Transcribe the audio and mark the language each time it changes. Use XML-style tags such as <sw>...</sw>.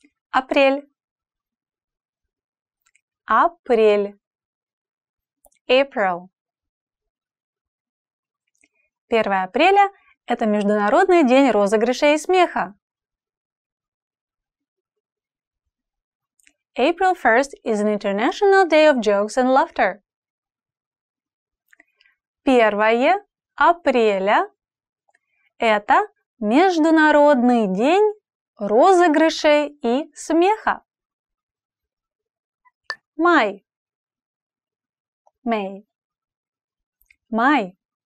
<ru>Апрель. Апрель.</ru> <en>April.</en> <ru>1 апреля – это Международный день розыгрышей и смеха.</ru> <en>April 1st is an International Day of Jokes and Laughter.</en> <ru>1 апреля – это Международный день розыгрышей и смеха.</ru> <en>May. May. May.</en>